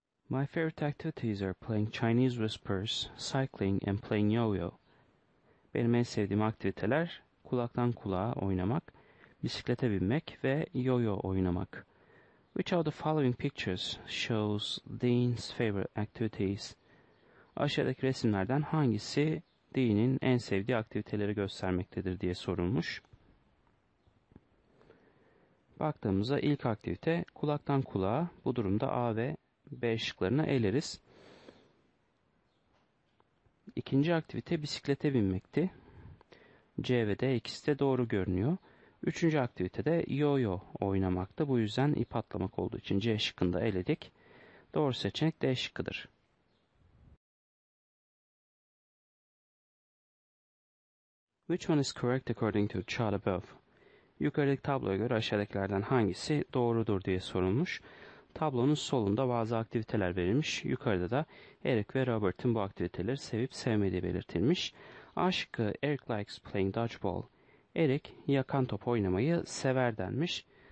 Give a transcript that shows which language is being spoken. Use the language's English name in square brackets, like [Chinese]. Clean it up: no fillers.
[English] My favorite activities are playing Chinese whispers, cycling and playing yo-yo. [Turkish] Benim en sevdiğim aktiviteler kulaktan kulağa oynamak, bisiklete binmek ve yo-yo oynamak. [English] Which of the following pictures shows Dean's favorite activities? [Turkish] Aşağıdaki resimlerden hangisi Dean'in en sevdiği aktiviteleri göstermektedir diye sorulmuş. Baktığımızda ilk aktivite kulaktan kulağa, bu durumda A ve B şıklarını eleriz. İkinci aktivite bisiklete binmekti. C ve D ikisi de doğru görünüyor. Üçüncü aktivite de yo-yo oynamakta. Bu yüzden ip atlamak olduğu için C şıkkını da eledik. Doğru seçenek D şıkkıdır. [English] Which one is correct according to chart above? [Turkish] Yukarıdaki tabloya göre aşağıdakilerden hangisi doğrudur diye sorulmuş. Tablonun solunda bazı aktiviteler verilmiş. Yukarıda da Eric ve Robert'in bu aktiviteleri sevip sevmediği belirtilmiş. A şıkkı [English] Eric likes playing dodgeball. [Turkish] Eric yakan top oynamayı sever denmiş.